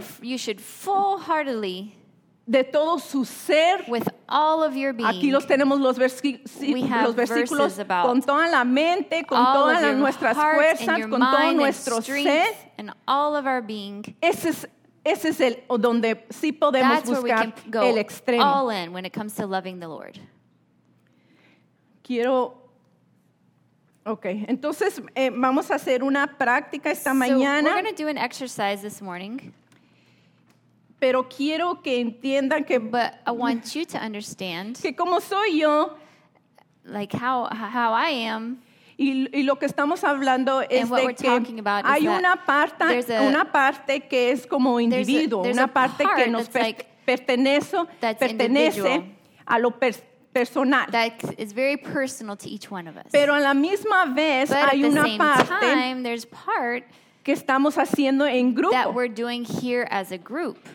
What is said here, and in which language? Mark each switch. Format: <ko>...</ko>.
<en>then you should full-heartedly</en> <es>de todo su ser,</es> <en>with all of your being.</en> <es>Aquí los tenemos los versículos con toda la mente, con todas nuestras fuerzas, con todo nuestro ser.</es> <en>And all of our being.</en> <es>Ese es el donde sí podemos</es> <en>That's</en> <es>buscar el extremo.</es> <en>That's where we can go all in when it comes to loving the Lord.</en> <es>Quiero, okay. Entonces vamos a hacer una práctica esta mañana.</es> <en>So we're going to do an exercise this morning.</en> <es>Pero quiero que entiendan que,</es> <en>but I want you to understand</en> <es>que como soy yo,</es> <en>like how I am,</en> <es>y lo que estamos hablando es de que hay una parte que es como individuo, una parte que nos pertenece a lo personal.</es> <en>That is very personal to each one of us.</en> <es>Pero a la misma vez hay una parte que estamos haciendo en grupo.</es> <en>That we're doing here as a group.</en>